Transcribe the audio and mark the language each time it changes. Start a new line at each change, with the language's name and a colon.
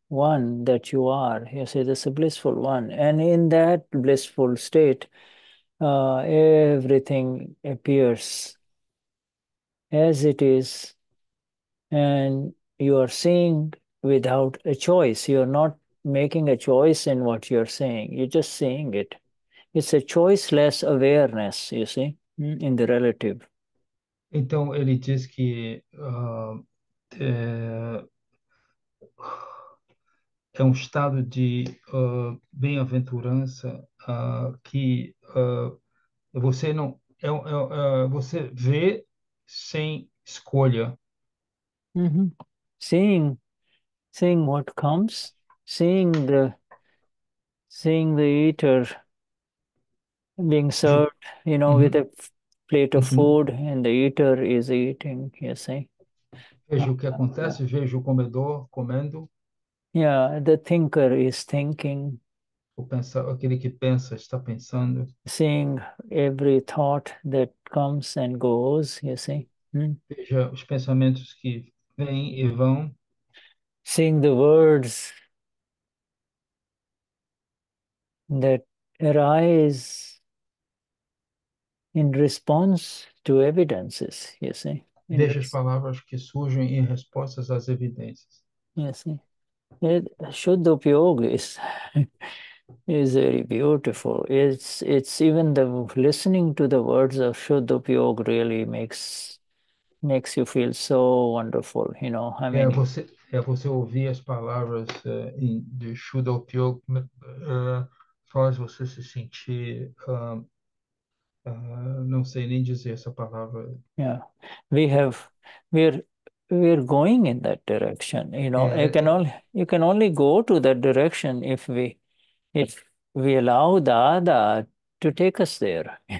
English: one that you are. You say that's a blissful one. And in that blissful state, everything appears as it is. And you are seeing without a choice. You are not making a choice in what you are seeing. You're just seeing it. It's a choiceless awareness, you see, in the relative.
Portuguese: Então, ele diz que é um estado de bem-aventurança que você não você vê sem escolha.
English: Seeing what comes, seeing the eater being served, you know, with a plate of food, and the eater is eating, you see.
Portuguese: Vejo o que acontece, vejo o comedor comendo.
English: Yeah, the thinker is thinking.
Portuguese: O pensar, aquele que pensa está pensando.
English: Seeing every thought that comes and goes, you see.
Portuguese: Veja os pensamentos que vêm e vão.
English: Seeing the words that arise in response to evidences, you see.
Portuguese: Veja as palavras que surgem em respostas às evidências.
English: You see. It, Shuddhopyoga is very beautiful. It's even the listening to the words of Shuddhopyoga really makes you feel so wonderful, you know. I
Portuguese: É
English: mean,
Portuguese: você ouvir as palavras de Shuddhopyoga faz você se sentir não sei nem dizer essa palavra.
English: yeah, we're going in that direction, you know. You can only go to that direction if we allow Dada to take us there.